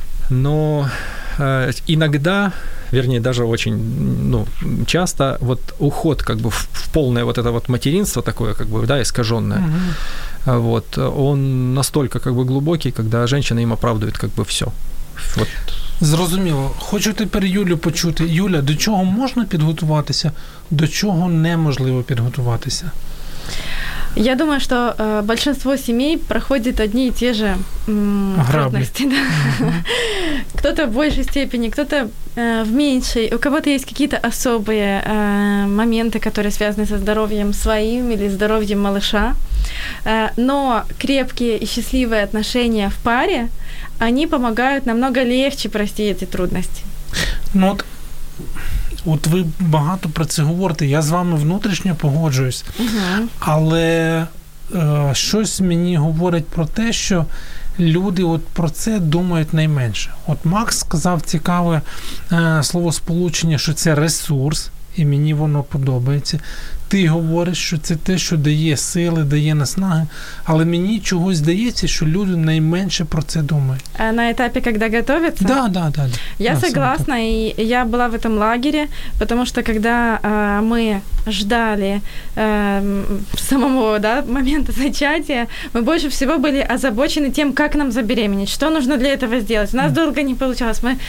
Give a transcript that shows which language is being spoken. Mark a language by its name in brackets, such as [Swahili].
[Russian] Но иногда, вернее, даже очень, ну, часто, вот уход как бы в полное вот это вот материнство такое, как бы, да, искажённое, вот, он настолько как бы глубокий, когда женщина им оправдывает как бы всё. [Ukrainian] Вот. Зрозуміло. Хочу тепер Юлю почути. Юля, до чого можна підготуватися, до чого неможливо підготуватися? [Russian] Я думаю, что большинство семей проходит одни и те же трудности. Да? Кто-то в большей степени, кто-то в меньшей. У кого-то есть какие-то особые моменты, которые связаны со здоровьем своим или здоровьем малыша. Но крепкие и счастливые отношения в паре, они помогают намного легче пройти эти трудности. Ну вот... [Ukrainian] От ви багато про це говорите, я з вами внутрішньо погоджуюсь, але щось мені говорить про те, що люди от про це думають найменше. От Макс сказав цікаве словосполучення, що це ресурс, і мені воно подобається. Ти говориш, що це те, що дає сили, дає наснаги, але мені чогось здається, що люди найменше про це думають. А на етапі, коли готуються? [Russian] Да, да, да. Я согласна, і я була в цьому лагері, тому що коли ми ждали самого, да, моменту зачатия, мы больше всего были озабочены тем, как нам забеременеть, что нужно для этого сделать. У нас долго не получалось.